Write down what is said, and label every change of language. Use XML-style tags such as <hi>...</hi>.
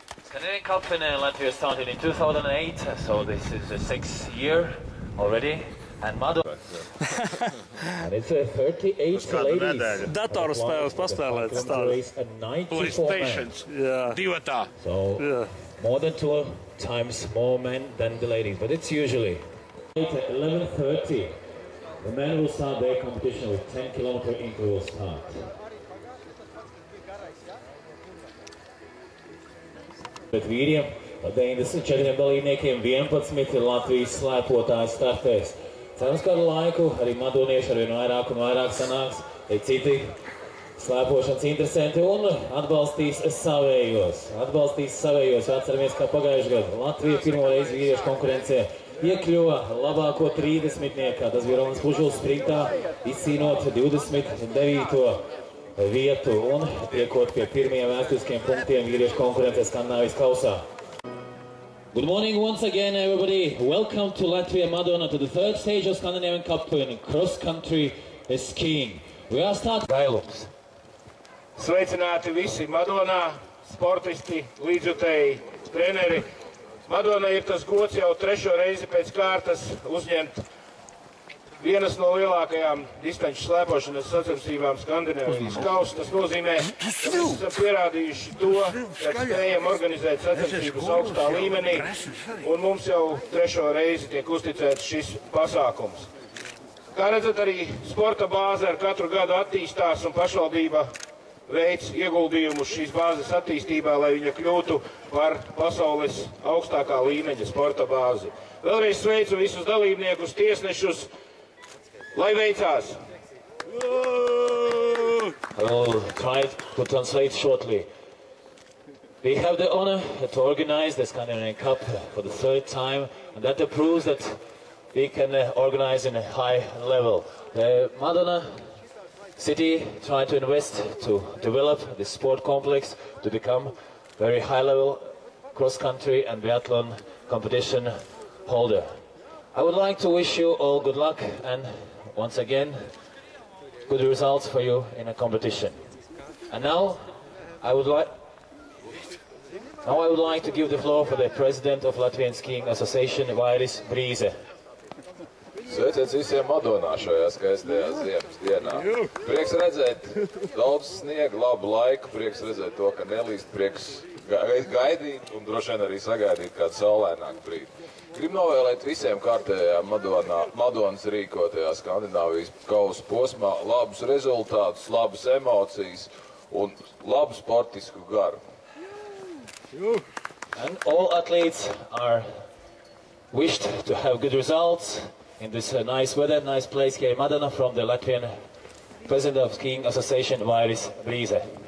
<en>Canadian Cup in Latvia started in 2008, so this is the 6th year already. And Mado. And it's a 38 ladies.</en> <lv>Dator spēles paspēlēt stāvēt. PlayStation. Divatā.</lv> <en>So, more than 2 times more men than the ladies, but it's usually. It's 11:30. The men will start their competition with 10 kilometer interval start.</en> <lv>Bet vīriem 94 dalībniekiem 11 Latvijas slēpotāji startēs. Cerams kādu laiku arī madonieši arvien vairāk un vairāk sanāks, ja citi slēpošanas interesanti un atbalstīs savējos. Atceramies, kā pagājušajā gadā Latvija pirmo reizi vīriešu konkurencē iekļuva labāko 30-niekā. Tas bija Romans Pužuls sprintā, izcīnot 29. vietu un tiekot pie pirmajiem vēsturiskajiem punktiem vīriešu konkurencē Skandinavijas kausā.</lv> <en>Good morning once again everybody. Welcome to Latvia Madona to the 3rd stage of Scandinavian Cup in cross country skiing. We are starting</en> <lv>Gailups. Sveicināti visi Madonā, sportisti, līdzjutēji, treneri. Madona ir tas gods jau 3. reizi pēc kārtas uzņemt vienas no lielākajām distanču slēpošanas sacensībām Skandinavijas kausu. Tas nozīmē, ka mēs esam pierādījuši to, ka spējam organizēt sacensības augstā līmenī, un mums jau 3. reizi tiek uzticēts šis pasākums. Kā redzat, arī sporta bāze ar katru gadu attīstās, un pašvaldība veic ieguldījumu šīs bāzes attīstībā, lai viņa kļūtu par pasaules augstākā līmeņa sporta bāzi. Vēlreiz sveicu visus dalībniekus, tiesnešus. Lai veicās!</lv> <en>I will try to translate shortly. We have the honor to organize the Scandinavian Cup for the 3rd time, and that proves that we can organize in a high level. Madona City tried to invest to develop the sport complex to become very high level cross-country and biathlon competition holder. I would like to wish you all good luck and once again, good results for you in a competition. And now, I would like to give the floor for the president of Latvian Skiing Association, Vairis Brīze.</en> <lv>Sveiciens visiem Madonā šajā skaistajā ziemas dienā. Prieks redzēt daudz sniega, labu laiku, prieks redzēt to, ka nelīst, prieks gaidīt un droši vien arī sagaidīt kādu saulēnāku brīdi. Gribu novēlēt visiem kārtējā Madonas rīkotajā Skandinavijas kausa posmā labus rezultātus, labas emocijas un labu sportisku garu.</lv> <en>And all athletes are wished to have good results in this nice weather, nice place here in Madona from the Latvian President of Skiing Association, Vairis Brīze.</en>